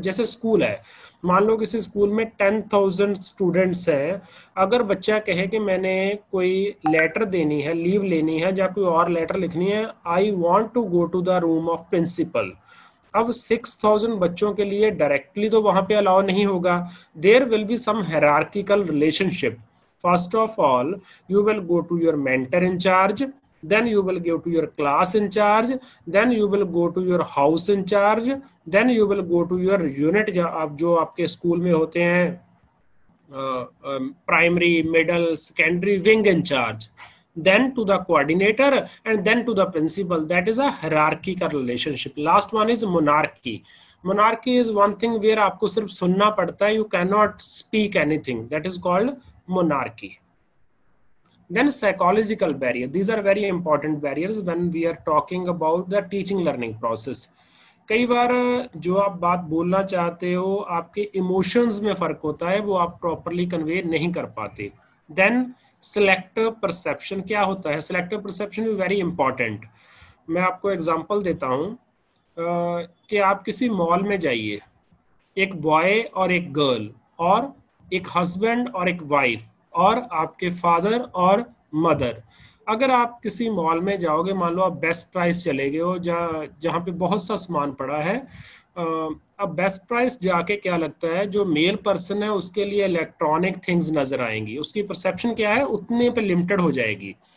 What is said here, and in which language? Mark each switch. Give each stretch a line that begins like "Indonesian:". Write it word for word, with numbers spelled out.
Hindi: जैसे स्कूल है, मान लो किसी स्कूल में टेन थाउजेंड स्टूडेंट्स हैं, अगर बच्चा कहे कि मैंने कोई लेटर देनी है, लीव लेनी है, या कोई और लेटर लिखनी है,
English: I want to go to the room of principal,
Hindi: अब सिक्स थाउजेंड बच्चों के लिए डायरेक्टली तो वहां पे अलाउ नहीं होगा।
English: There will be some hierarchical relationship. First of all you will go to your mentor in charge, then you will go to your class in charge, then you will go to your house in charge, then you will go to your unit,
Hindi: आप जो आपके school में होते हैं primary, middle, secondary wing
English: in charge, then to the coordinator and then to the principal. That is a hierarchical relationship. Last one is monarchy. Monarchy is one thing where
Hindi: आपको सिर्फ सुनना पड़ता है,
English: you cannot speak anything. That is called monarchy. Then psychological barrier. These are very important barriers when we are talking about the teaching learning process.
Hindi: कई बार जो आप बात बोलना चाहते हो, आपके emotions में फर्क होता है, वो आप properly convey नहीं कर पाते।
English: Then selective perception
Hindi: क्या होता है?
English: Selective perception is very important.
Hindi: मैं आपको example देता हूँ कि आप किसी mall में जाइए, एक boy और एक girl और एक husband और एक wife और आपके फादर और मदर। अगर आप किसी मॉल में जाओगे, मान लो आप बेस्ट प्राइस चले गए हो, जहाँ पे बहुत सा सामान पड़ा है, अब बेस्ट प्राइस जाके क्या लगता है, जो मेल पर्सन है उसके लिए इलेक्ट्रॉनिक थिंग्स नजर आएंगी, उसकी परसेप्शन क्या है, उतने पे लिमिटेड हो जाएगी।